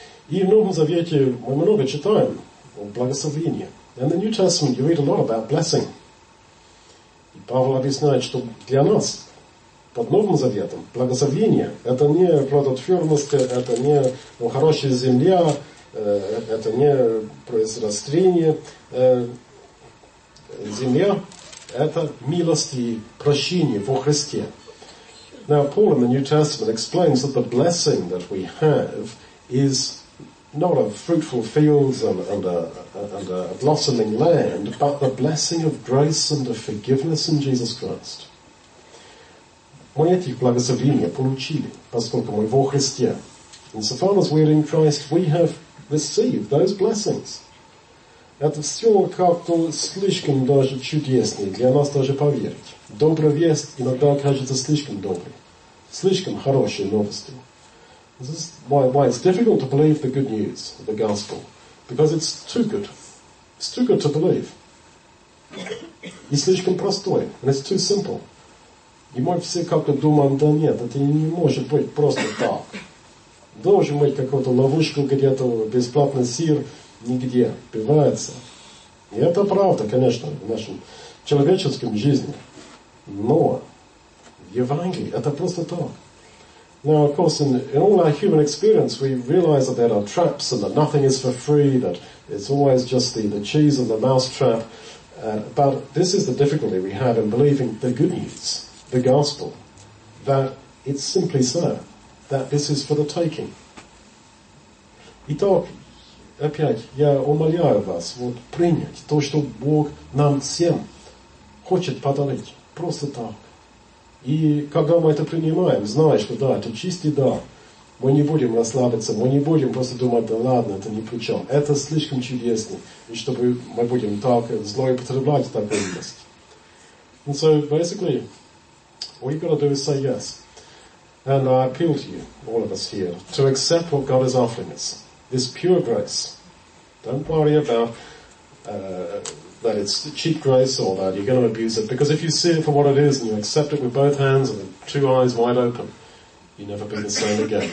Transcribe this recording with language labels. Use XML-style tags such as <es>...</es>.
<ru>И в Новом Завете мы много читаем о благословении.</ru> <en>In the New Testament you read a lot about blessing.</en> <ru>И Павел объясняет, что для нас под Новым Заветом благословение – это не плодотворность, это не хорошая земля, это не произрастение. Земля – это милость и прощение во Христе.</ru> <en>Now, Paul in the New Testament explains that the blessing that we have is not of fruitful fields and a blossoming land, but the blessing of grace and of forgiveness in Jesus Christ.</en> <ru>Мы этих благословений получили, поскольку мы во Христе.</ru> <en>And so far as we are in Christ, we have received those blessings.</en> <ru>Это все как-то слишком даже чудесно для нас даже поверить. Добрая весть иногда кажется слишком доброй, слишком хорошей новостью.</ru> <en>This is why it's difficult to believe the good news, the gospel. Because it's too good. It's too good to believe.</en> <ru>И слишком простое.</ru> <en>And it's too simple.</en> <ru>И мы все как-то думаем, да нет, это не может быть просто так. Должен быть какую-то ловушку где-то, бесплатный сыр нигде пивается. И это правда, конечно, в нашем человеческом жизни. Но в Евангелии это просто так.</ru> <en>Now, of course, in all our human experience, we realize that there are traps and that nothing is for free, that it's always just the cheese and the mouse trap. But this is the difficulty we have in believing the good news. The gospel, that it's simply so, that this is for the taking.</en> <ru>Итак, опять, я умоляю вас вот принять то, что Бог нам всем хочет подарить, просто так. И когда мы это принимаем, знаешь, что да, это чистый дар, мы не будем расслабиться, мы не будем просто думать, да ладно, это ни при чем. Это слишком чудесно, и чтобы мы будем так зло и потреблять такой мест.</ru> <en>And so, basically, all you've got to do is say yes. And I appeal to you, all of us here, to accept what God is offering us. This pure grace. Don't worry about that it's cheap grace or that you're going to abuse it. Because if you see it for what it is and you accept it with both hands and two eyes wide open, you'll never be the same again.</en>